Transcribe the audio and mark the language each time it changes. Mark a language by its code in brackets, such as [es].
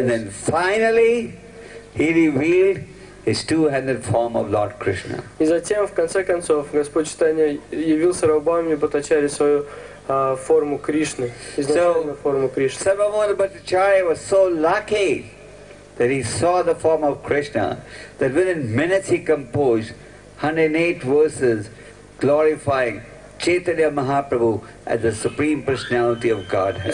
[en] And then finally, he revealed his two-handed form of Lord Krishna. [ru] И затем, в конце концов, Господь Чайтанья явил Сарабхаме Бхаттачарье свою форму Кришны, изначальную форму Кришны. [en] Сарабхаме Бхаттачарье was so lucky that he saw the form of Krishna, that within minutes he composed 108 verses glorifying Chaitanya Mahaprabhu as the Supreme Personality of Godhead.